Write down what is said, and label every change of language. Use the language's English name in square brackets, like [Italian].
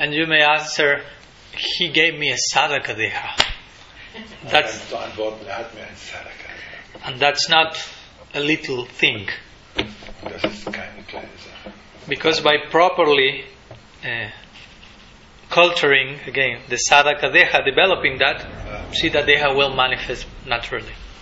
[English] and you may answer, he gave me a sadaka-deha. [German] Dann kannst du antworten, er hat mir ein sadaka-deha. [English] And that's not a little thing. [German] Und das ist keine kleine Sache. [English] Because by properly culturing, again, the sadaka-deha, developing that, siddha-deha will manifest naturally.